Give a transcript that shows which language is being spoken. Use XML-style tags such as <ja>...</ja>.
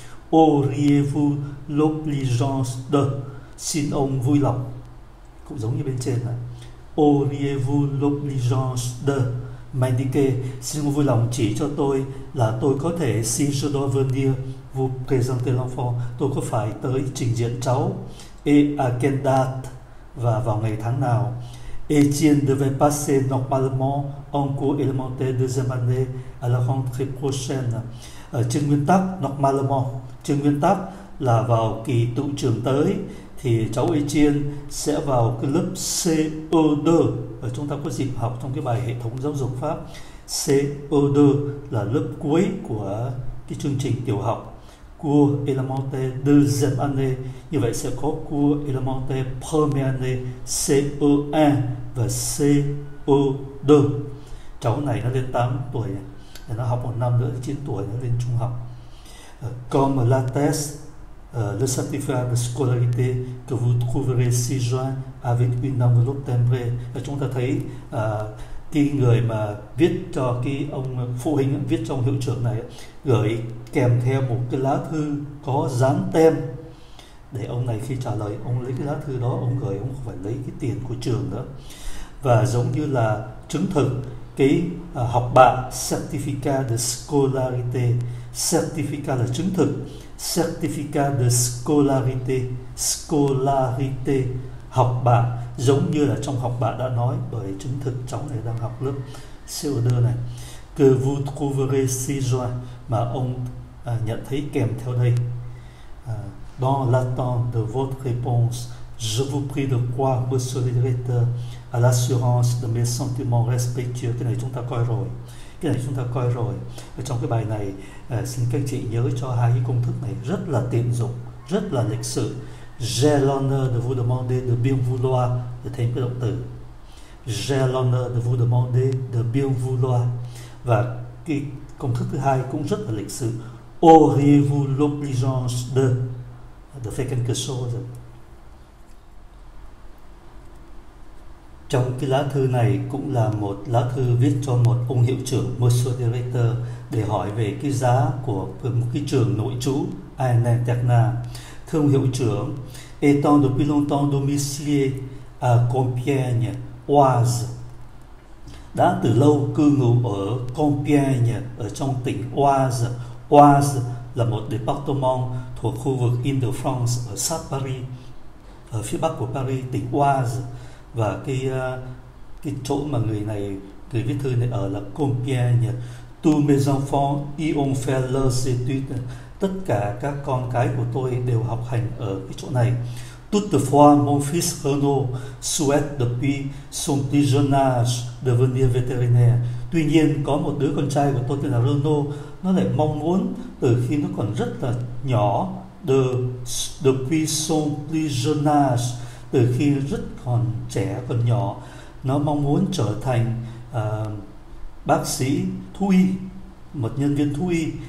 <fr>Auriez-vous l'obligeance de,</fr> <vi>xin ông vui lòng, cũng giống như bên trên này.</vi> <fr>Auriez-vous l'obligeance de m'indiquer,</fr> <vi>xin ông vui lòng chỉ cho tôi là tôi có thể,</vi> <fr>si je dois venir vous présenter l'enfant,</fr> <vi>tôi có phải tới trình diện cháu,</vi> <fr>et à quelle date,</fr> <vi>và vào ngày tháng nào.</vi> <fr>Étienne devait passer normalement en cours élémentaire deuxième année à la rentrée prochaine.</fr> <vi>Trên nguyên tắc, normalement, trên nguyên tắc là vào kỳ tựu trường tới thì cháu Étienne sẽ vào cái lớp CE2. Và chúng ta có dịp học trong cái bài hệ thống giáo dục Pháp. CE2 là lớp cuối của cái chương trình tiểu học.</vi> <fr>Cours élémentaire deuxième année.</fr> <vi>Như vậy sẽ có cours élémentaire première année, CE1 và CE2. Cháu này nó lên 8 tuổi, nó học 1 năm nữa, 9 tuổi nó lên trung học.</vi> <fr>Comme l'atteste le certificat de scolarité que vous trouverez ci-joint avec une enveloppe timbrée.</fr> <vi>Chúng ta thấy cái người mà viết cho cái ông phụ huynh viết cho ông hiệu trưởng này gửi kèm theo một cái lá thư có dán tem để ông này khi trả lời ông lấy cái lá thư đó ông gửi, ông không phải lấy cái tiền của trường nữa, và giống như là chứng thực cái học bạ certificat de scolarité. Certificat là chứng thực, certificat de scolarité, học bạ, giống như là trong học bạ đã nói, bởi chứng thực cháu này đang học lớp CE2 này.</vi> <fr>Que vous trouverez ci-joint,</fr> <vi>mà ông nhận thấy kèm theo đây.</vi> <fr>Dans l'attente de votre réponse, je vous prie de croire, monsieur le directeur, à l'assurance de mes sentiments respectueux.</fr> <vi>Cái này chúng ta coi rồi. Cái này chúng ta coi rồi. Ở trong cái bài này, xin các chị nhớ cho hai cái công thức này rất là tiện dụng, rất là lịch sự.</vi> <fr>J'ai l'honneur de vous demander de bien vouloir,</fr> <vi>để thêm cái động từ.</vi> <fr>J'ai l'honneur de vous demander de bien vouloir.</fr> <vi>Và cái công thức thứ hai cũng rất là lịch sự.</vi> <fr>Auriez-vous l'obligeance de faire quelque chose?</fr> <vi>Trong cái lá thư này cũng là một lá thư viết cho một ông hiệu trưởng, Monsieur Directeur, để hỏi về cái giá của một cái trường nội trú, Anterna. Thưa ông hiệu trưởng,</vi> <fr>étant depuis longtemps domicilié à Compiègne, Oise,</fr> <vi>đã từ lâu cư ngụ ở Compiègne, ở trong tỉnh Oise. Oise là một département thuộc khu vực Île-de-France ở sát Paris, ở phía bắc của Paris, tỉnh Oise. Và cái chỗ mà người này, người viết thư này ở là Compiègne.</vi> <fr>Tous mes enfants y ont fait leurs études.</fr> <vi>Tất cả các con cái của tôi đều học hành ở cái chỗ này.</vi> <fr>Toutefois, mon fils Renaud souhaite depuis son plus jeune âge devenir vétérinaire.</fr> <vi>Tuy nhiên, có một đứa con trai của tôi tên là Renaud, nó lại mong muốn từ khi nó còn rất là nhỏ,</vi> <fr>depuis son plus jeune âge,</fr> <vi>từ khi rất còn trẻ, còn nhỏ, nó mong muốn trở thành bác sĩ thú y, một nhân viên thú y.</vi>